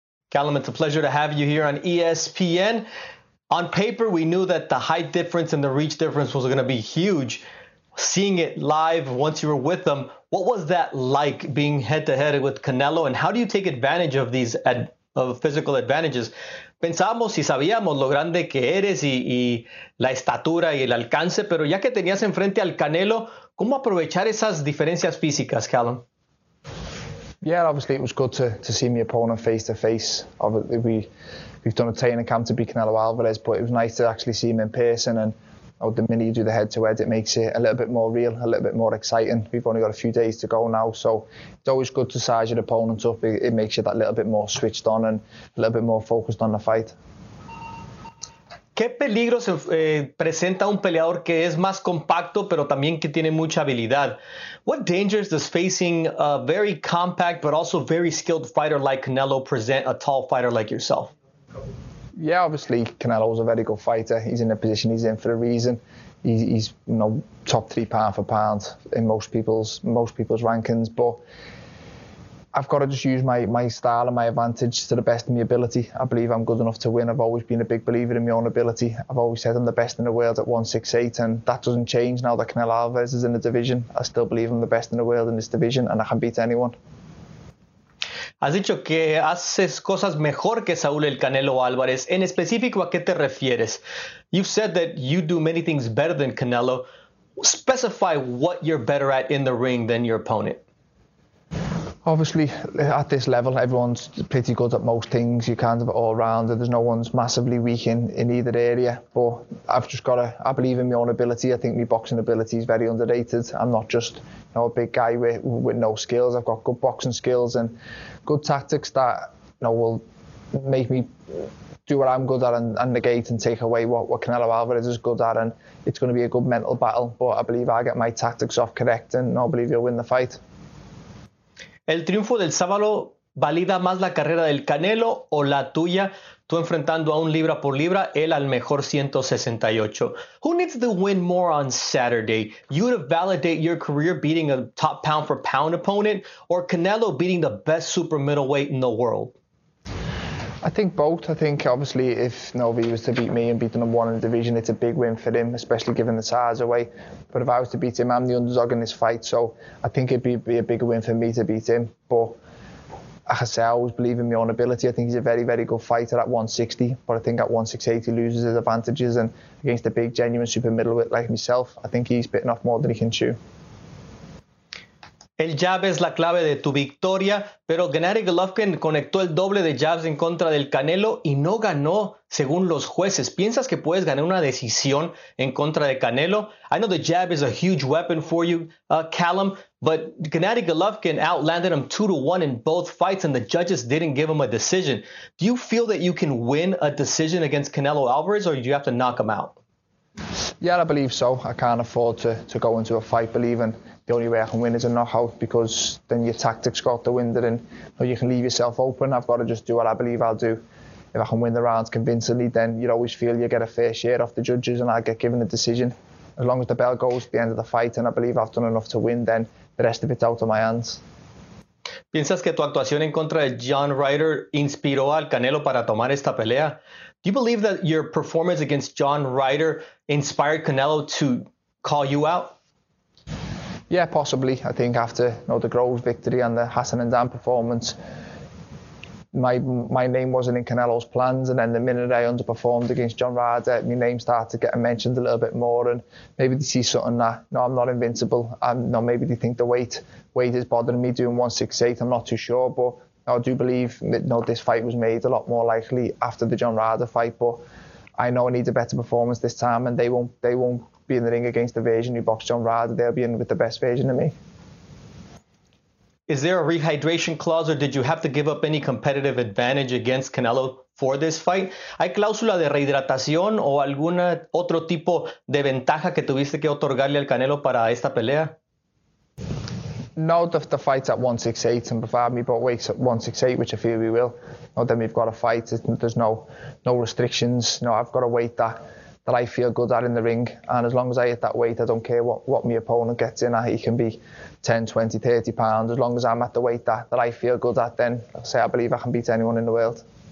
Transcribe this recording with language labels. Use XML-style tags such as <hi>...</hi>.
<en>Callum, it's a pleasure to have you here on ESPN. On paper, we knew that the height difference and the reach difference was going to be huge. Seeing it live once you were with them, what was that like being head-to-head with Canelo, and how do you take advantage of these of physical advantages?</en> <es>Pensamos y sabíamos lo grande que eres y la estatura y el alcance, pero ya que tenías enfrente al Canelo, ¿cómo aprovechar esas diferencias físicas, Callum?</es> <en>Yeah, obviously it was good to see my opponent face to face. Obviously we've done a training camp to beat Canelo Alvarez, but it was nice to actually see him in person. And the minute you do the head to head, it makes it a little bit more real, a little bit more exciting. We've only got a few days to go now, so it's always good to size your opponent up. It makes you that little bit more switched on and a little bit more focused on the fight.</en> <es>¿Qué peligros presenta un peleador que es más compacto, pero también que tiene mucha habilidad?</es> <en>What dangers does facing a very compact but also very skilled fighter like Canelo present a tall fighter like yourself? Yeah, obviously Canelo is a very good fighter. He's in the position he's in for a reason. He's you know, top 3 pound for pound in most people's rankings, but I've got to just use my style and my advantage to the best of my ability. I believe I'm good enough to win. I've always been a big believer in my own ability. I've always said I'm the best in the world at 168, and that doesn't change now that Canelo Alvarez is in the division. I still believe I'm the best in the world in this division, and I can beat anyone.</en> <es>Has dicho que haces cosas mejor que Saúl el Canelo Álvarez. En específico, ¿a qué te refieres?</es> <en>You've said that you do many things better than Canelo. Specify what you're better at in the ring than your opponent. Obviously, at this level, everyone's pretty good at most things. You're kind of all-rounder. There's no one's massively weak in either area. But I believe in my own ability. I think my boxing ability is very underrated. I'm not just a big guy with no skills. I've got good boxing skills and good tactics that will make me do what I'm good at and negate and take away what Canelo Alvarez is good at. And it's going to be a good mental battle. But I believe I get my tactics off correct, and I believe you'll win the fight.</en> <es>¿El triunfo del sábado valida más la carrera del Canelo o la tuya? Tú enfrentando a un libra por libra, él al mejor 168.</es> <en>Who needs to win more on Saturday? You to validate your career beating a top pound for pound opponent or Canelo beating the best super middleweight in the world? I think both. I think obviously if Novi was to beat me and beat the number one in the division, it's a big win for him, especially given the size away. But if I was to beat him, I'm the underdog in this fight. So I think it'd be a bigger win for me to beat him. But like I say, I always believe in my own ability. I think he's a very, very good fighter at 160. But I think at 168, he loses his advantages. And against a big, genuine super middleweight like myself, I think he's bitten off more than he can chew.</en> <es>El jab es la clave de tu victoria, pero Gennady Golovkin conectó el doble de jabs en contra del Canelo y no ganó según los jueces. ¿Piensas que puedes ganar una decisión en contra de Canelo?</es> <en>I know the jab is a huge weapon for you, Callum, but Gennady Golovkin outlanded him 2-1 in both fights and the judges didn't give him a decision. Do you feel that you can win a decision against Canelo Alvarez or do you have to knock him out? Yeah, I believe so. I can't afford to go into a fight believing the only way I can win is a knockout, because then your tactics got the wind and you can leave yourself open. I've got to just do what I believe I'll do. If I can win the rounds convincingly, then you always feel you get a fair share off the judges and I get given a decision. As long as the bell goes at the end of the fight and I believe I've done enough to win, then the rest of it's out of my hands.</en> <es>¿Piensas que tu actuación en contra de John Ryder inspiró al Canelo para tomar esta pelea?</es> <en>Do you believe that your performance against John Ryder inspired Canelo to call you out? Yeah, possibly. I think after the Groves victory and the Hassan and Dan performance, my name wasn't in Canelo's plans. And then the minute I underperformed against John Ryder, my name started getting mentioned a little bit more. And maybe they see something that, I'm not invincible. Maybe they think the weight is bothering me doing 168. I'm not too sure. But I do believe that this fight was made a lot more likely after the John Ryder fight. But I know I need a better performance this time and they won't be in the ring against the version you boxed John Ryder. They'll be in with the best version of me. Is there a rehydration clause or did you have to give up any competitive advantage against Canelo for this fight?</en> <es>¿Hay cláusula de rehidratación o algún otro tipo de ventaja que tuviste que otorgarle al Canelo para esta pelea?</es> <en>No, the fight's at 168, and provide me both weights at 168, which I feel we will, then we've got a fight. There's no restrictions. I've got a weight that I feel good at in the ring, and as long as I hit that weight, I don't care what my opponent gets in at. He can be 10, 20, 30 pounds. As long as I'm at the weight that I feel good at, then I believe I can beat anyone in the world.</en>